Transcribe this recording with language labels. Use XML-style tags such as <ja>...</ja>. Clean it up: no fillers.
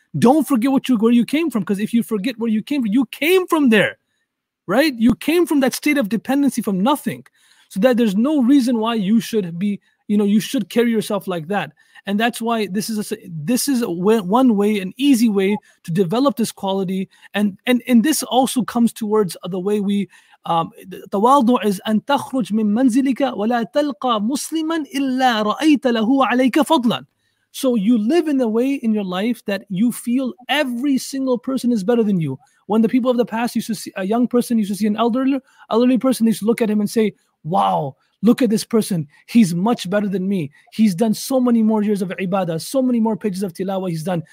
<en>Don't forget where you came from, because if you forget where you came from there, right? You came from that state of dependency from nothing. So that there's no reason why you should be, you know, you should carry yourself like that. And that's why this is one way, an easy way to develop this quality. And this also comes towards the way we,</en> <ar>التواضع is أن تخرج من منزلك ولا تلقى مسلما إلا رأيت له عليك فضلا.</ar> <en>So you live in a way in your life that you feel every single person is better than you. When the people of the past used to see a young person, used to see an elderly person, they used to look at him and say, wow, look at this person. He's much better than me. He's done so many more years of ibadah, so many more pages of tilawah he's done.</en>